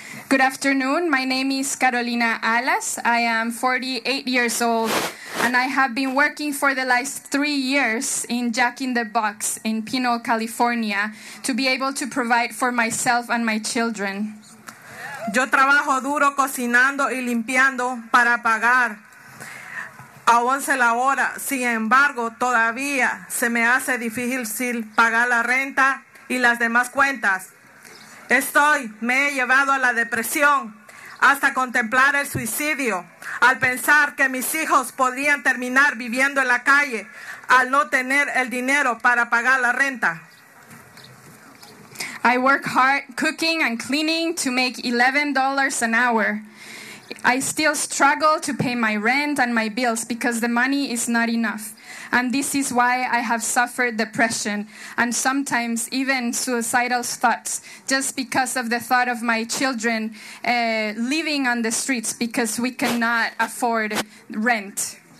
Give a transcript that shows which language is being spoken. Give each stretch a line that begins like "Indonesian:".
English: Good afternoon. My name is Carolina Alas. I am 48 years old, and I have been working for the last 3 years in Jack in the Box in Pinole, California, to be able to provide for myself and my children.
Spanish: Yo trabajo duro cocinando y limpiando para pagar. A 11 la hora, sin embargo, todavía se me hace difícil pagar la renta y las demás cuentas. Estoy, me he llevado a la depresión hasta contemplar el suicidio, al pensar que mis hijos podrían terminar viviendo en la calle al no tener el dinero para pagar la renta.
English: I work hard cooking and cleaning to make $11 an hour. I still struggle to pay my rent and my bills because the money is not enough. And this is why I have suffered depression and sometimes even suicidal thoughts just because of the thought of my children living on the streets because we cannot afford rent.